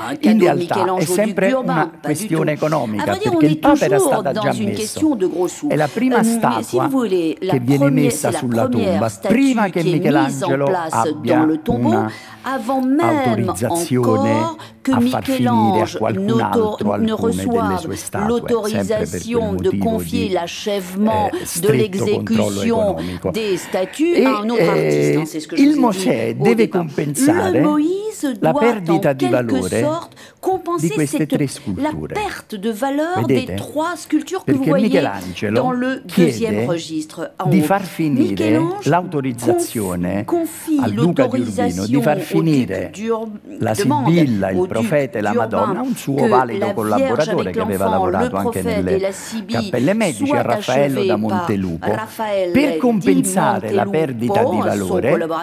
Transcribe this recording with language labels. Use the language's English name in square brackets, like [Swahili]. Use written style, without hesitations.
[Italian] In realtà è sempre una questione economica, perché il Papa era stato già messo. È la prima statua che viene messa sulla tomba prima che Michelangelo abbia un'autorizzazione a far finire a qualcun altro alcune delle sue statue, [French] l'autorisation de confier l'achèvement de l'exécution des statues à un autre artiste, c'est ce que je [Italian] il Mosè deve compensare la perdita di valore di queste tre sculture. [French] La perte de valeur des trois sculptures que [Italian] perché [French] vous voyez Michelangelo dans le deuxième registre [Italian] di far finire l'autorizzazione al Duca di Urbino di far finire la Sibilla, il profeta e la Madonna, un suo valido collaboratore che aveva lavorato anche nelle cappelle medici, a Raffaello da Montelupo, per compensare la perdita di valore